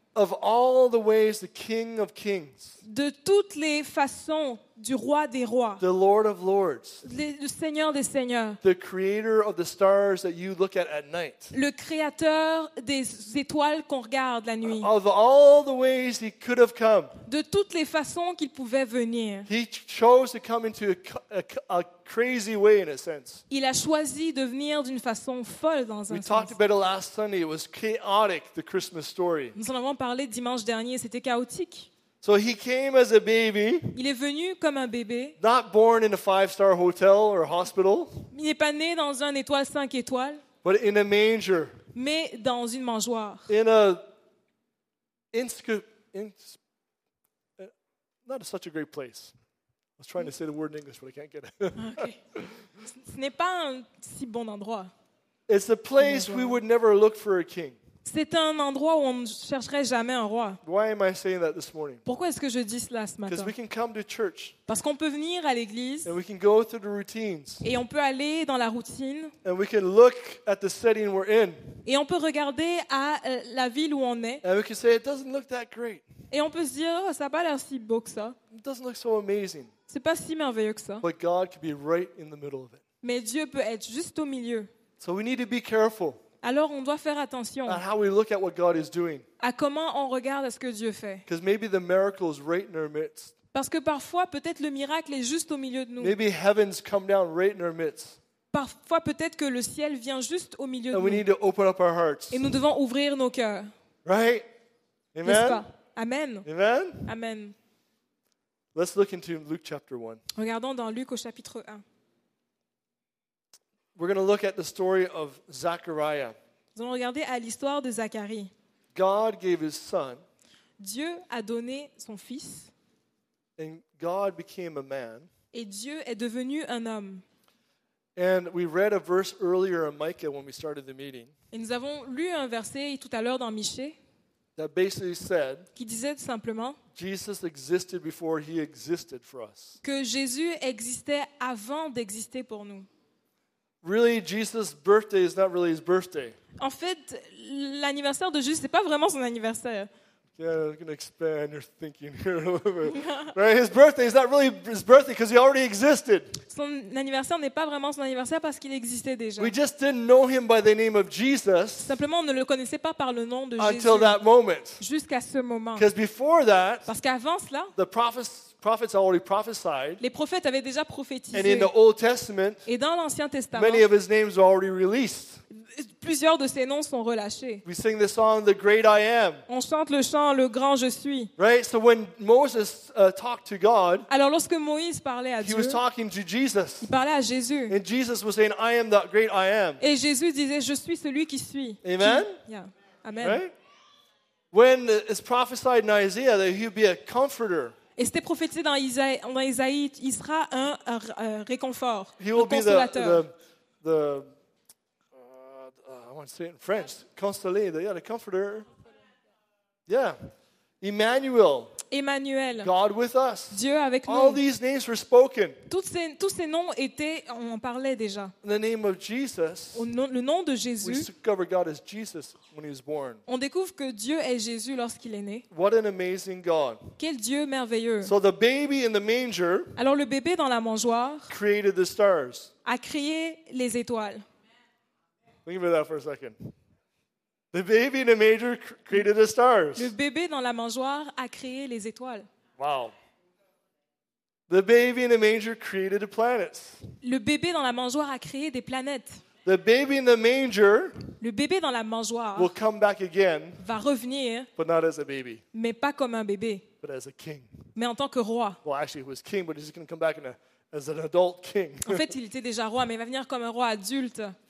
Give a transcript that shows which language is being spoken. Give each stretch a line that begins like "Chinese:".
English: Of all the ways the King of Kings.
French: De toutes les façons du roi des rois.
English: The Lord of Lords.
French: Le Seigneur des Seigneurs.
English: The creator of the stars that you look at night.
French: Le créateur des étoiles qu'on regarde la nuit.
English: Of all the ways he could have come.
French: De toutes les façons qu'il pouvait venir.
English: He chose to come into a crazy way in a sense.
French: Il a choisi de venir d'une façon folle dans un sens.
English: We talked about it last Sunday. It was chaotic, the Christmas story.
French: Nous en avons parlé dimanche dernier, c'était chaotique.
English: So he came as a baby.
French: Il est venu comme un bébé.
English: Not born in a 5-star hotel or hospital.
French: Il n'est pas né dans un étoile 5 étoiles.
English: But in a manger.
French: Mais dans une mangeoire.
English: In a not such a great place. I was trying to say the word in English, but I can't get it. Okay.
French: Ce n'est pas un si bon endroit.
English: It's a place we would never look for a king.
French: C'est un endroit où on ne chercherait jamais un roi.
English: Why am I saying that this morning?
French: Pourquoi est-ce que je dis cela ce matin?
English: Because we can come to church.
French: Parce qu'on peut venir à l'église.
English: And we can go through the routines.
French: Et on peut aller dans la routine.
English: And we can look at the setting we're in.
French: Et on peut regarder à la ville où on est.
English: And we can say it doesn't look that great.
French: Et on peut se dire oh, ça n'a pas l'air si beau que ça.
English: It doesn't look so amazing.
French: C'est pas si merveilleux que ça.
English: But God can be right in the middle of it.
French: Mais Dieu peut être juste au milieu.
English: So we need to be careful.
French: Alors on doit faire attention
English: and how we look at what God is doing.
French: À comment on regarde à ce que Dieu fait.
English: Because maybe the miracle is right in our midst.
French: Parce que parfois peut-être le miracle est juste au milieu de nous.
English: Maybe heaven's come down right in our midst.
French: Parfois peut-être que le ciel vient juste au milieu
English: and
French: de nous.
English: And we need to open up our hearts.
French: Et nous devons ouvrir nos cœurs.
English: Right? Amen.
French: N'est-ce pas?
English: Amen. Amen. Amen. Let's look into Luke chapter 1.
French: Regardons dans Luc au chapitre 1.
English: We're going to look at the story of Zachariah.
French: Nous allons regarder à l'histoire de Zacharie.
English: God gave his son.
French: Dieu a donné son fils.
English: And God became a man.
French: Et Dieu est devenu un homme.
English: And we read a verse earlier in Micah when we started the meeting.
French: Et nous avons lu un verset tout à l'heure dans Michée.
English: That basically said.
French: Qui disait simplement.
English: Jesus existed before he existed for us.
French: Que Jésus existait avant d'exister pour nous.
English: Really, Jesus' birthday is not really his birthday.
French: En fait, l'anniversaire de Jésus, c'est pas vraiment son anniversaire.
English: Yeah, I'm gonna expand your thinking here a little bit. Right, his birthday is not really his birthday because he already existed.
French: Son anniversaire n'est pas vraiment son anniversaire parce qu'il existait déjà.
English: We just didn't know him by the name of Jesus.
French: Simplement, on ne le connaissait pas par le nom de Jésus.
English: Until that moment.
French: Jusqu'à ce moment.
English: Because before that.
French: Parce qu'avant cela.
English: The prophets. Prophets already prophesied.
French: Les prophètes avaient déjà prophétisé.
English: And in the Old Testament,
French: et dans l'Ancien Testament,
English: many of his names were already released.
French: Plusieurs de ses noms sont relâchés.
English: We sing the song, "The Great I Am."
French: On chante le chant, "Le Grand Je Suis."
English: Right. So when Moses talked to God,
French: alors lorsque Moïse parlait à Dieu,
English: he was talking to Jesus.
French: Il parlait à Jésus.
English: And Jesus was saying, "I am the Great I Am."
French: Et Jésus disait, "Je suis celui qui suis."
English: Amen. Yeah. Amen. Right. When it's prophesied in Isaiah that he'll be a comforter.
French: Et c'était prophétisé dans Isaïe, il sera un réconfort,
English: he will
French: un consolateur.
English: I want to say it in French, consoler, the comforter. Yeah, Emmanuel. God with us.
French: Dieu avec
English: all
French: nous.
English: All these names were spoken.
French: Tous ces noms étaient, on en parlait déjà.
English: In the name of Jesus.
French: Le nom de Jésus.
English: We discover God as Jesus when he was born.
French: On découvre que Dieu est Jésus lorsqu'il est né.
English: What an amazing God.
French: Quel Dieu merveilleux.
English: So the baby in the manger.
French: Alors le bébé dans la mangeoire.
English: Created the stars.
French: A créé les étoiles.
English: Think about that for a second. The baby in the manger created the stars.
French: Le bébé dans la mangeoire a créé les étoiles.
English: Wow. The baby in the manger created the planets.
French: Le bébé dans la mangeoire a créé des planètes.
English: The baby in the manger.
French: Le bébé dans la mangeoire.
English: Will come back again.
French: Va revenir.
English: But not as a baby.
French: Mais pas comme un bébé.
English: But as a king.
French: Mais en tant que roi.
English: Well, actually, he was king, but he's going to come back as an adult king.
French: En fait, il était déjà roi, mais il va venir comme un roi adulte.